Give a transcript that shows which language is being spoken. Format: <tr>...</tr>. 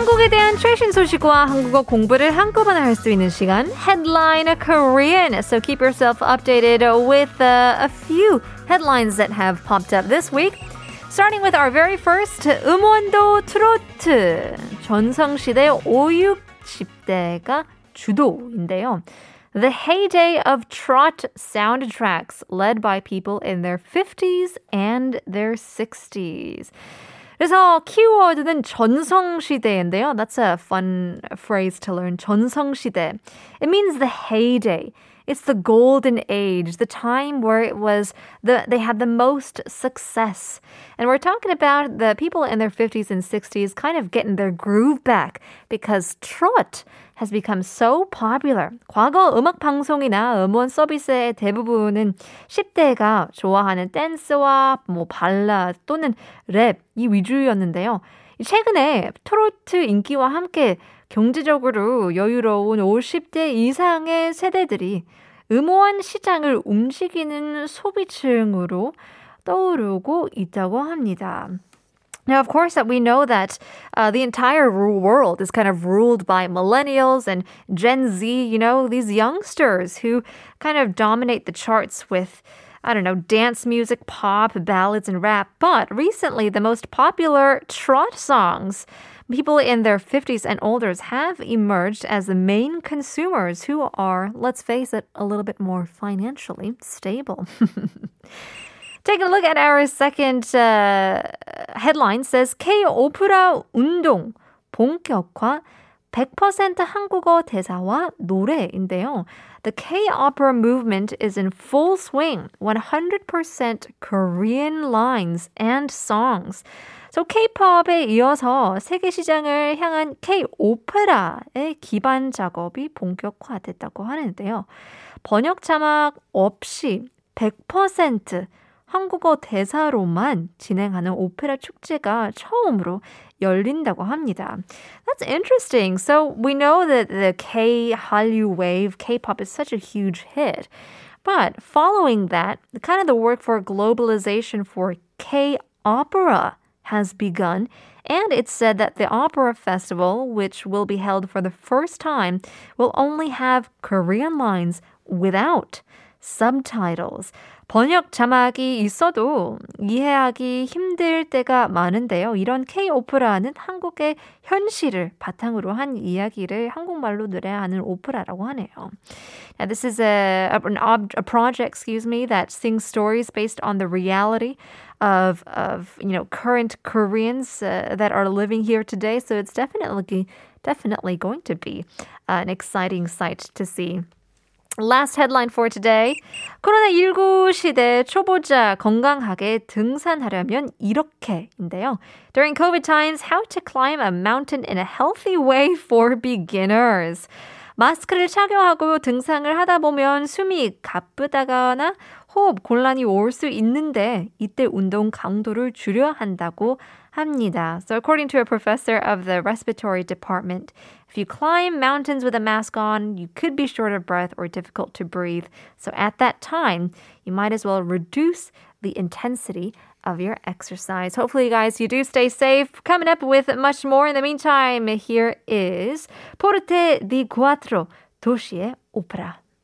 <ko>대한 최신 소식과 한국어 공부를 한꺼번에 할 수 있는 시간 Headline Korean.</ko> <en>So keep yourself updated with a few headlines that have popped up this week. Starting with our very first</en> <ko>음원도 트로트 전성시대 5,60대가 주도인데요.</ko> <en>The heyday of trot soundtracks led by people in their 50s and their 60s.</en> <ko>그래서 키워드는 전성시대인데요.</ko> <en>That's a fun phrase to learn. 전성시대. It means the heyday. It's the golden age, the time where it was they had the most success. And we're talking about the people in their 50s and 60s kind of getting their groove back because trot has become so popular.</en> <ko>과거 음악 방송이나 음원 서비스의 대부분은 10대가 좋아하는 댄스와 뭐 발라드 또는 랩이 위주였는데요. 최근에 트로트 인기와 함께 경제적으로 여유로운 50대 이상의 세대들이 음원 시장을 움직이는 소비층으로 떠오르고 있다고 합니다.</ko> <en>Now, of course, that we know that the entire world is kind of ruled by millennials and Gen Z, you know, these youngsters who kind of dominate the charts with, I don't know, dance music, pop, ballads, and rap. But recently, the most popular trot songs, people in their 50s and older have emerged as the main consumers who are, let's face it, a little bit more financially stable. Taking a look at our second headline says,</en> <ko>K-오프라 운동 본격화 100% 한국어 대사와 노래인데요.</ko> <en>The K-opera movement is in full swing, 100% Korean lines and songs.</en> <ko>So K-pop에 이어서 세계 시장을 향한 K-오페라의 기반 작업이 본격화됐다고 하는데요. 번역 자막 없이 100% 한국어 대사로만 진행하는 오페라 축제가 처음으로 열린다고 합니다.</ko> <en>That's interesting. So we know that the K-Hallyu wave, K-pop is such a huge hit. But following that, kind of the work for globalization for K-opera has begun, and it's said that the opera festival, which will be held for the first time, will only have Korean lines without subtitles.</en> <ko>번역 자막이 있어도 이해하기 힘들 때가 많은데요. 이런 K-오페라는 한국의 현실을 바탕으로 한 이야기를 한국말로 노래하는 오페라라고 하네요.</ko> <en>Now, this is a project, excuse me, that sings stories based on the reality of you know, current Koreans that are living here today. So it's definitely going to be an exciting sight to see. Last headline for today.</en> <ko>코로나19 시대 초보자 건강하게 등산하려면 이렇게인데요.</ko> <en>During COVID times, how to climb a mountain in a healthy way for beginners.</en> <ko>마스크를 착용하고 등산을 하다 보면 숨이 가쁘다거나 호흡 곤란이 올 수 있는데 이때 운동 강도를 줄여야 한다고 합니다.</ko> <en>So according to a professor of the respiratory department, if you climb mountains with a mask on, you could be short of breath or difficult to breathe. So at that time, you might as well reduce the intensity of your exercise. Hopefully, guys, you do stay safe. Coming up with much more. In the meantime, here is Porte di Quattro,</en> <ko>도시의 오페라.</ko>